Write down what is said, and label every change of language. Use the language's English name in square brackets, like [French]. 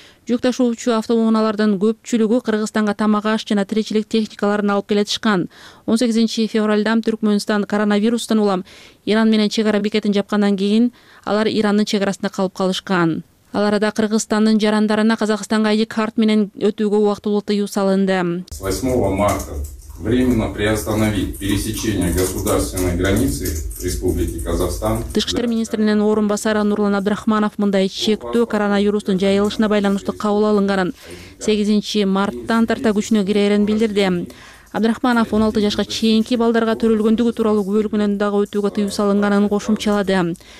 [Kyrgyz] Жүк ташуучу автоунаалардын көпчүлүгү Кыргызстанга тамак аш жана тиричилик техникаларын алып келатышкан. 18 февралдан Түркмөнстан коронавирустан улам Иран менен чек ара бекетин жапкандан кийин алар Ирандын чек арасында калып калышкан. Ал арада Кыргызстандын жарандарына Казакстанга ID карт менен өтүүгө убактылуу тыюу салынды. [Russian] 8 марта временно приостановить пересечение государственной границы Республики Казахстан. [Kyrgyz] Тышкы иштер министринин орун басары Нурлан Абдрахманов мындай чектөө коронавирустун жайылышына байланыштуу кабыл алынганын 8 марттан тарта күчүнө кирерин билдирди. Абдрахманов 16 жашка чейинки балдарга төрөлгөндүгү тууралуу күбөлүк менен дагы өтүүгө тыюу салынганын кошумчалады.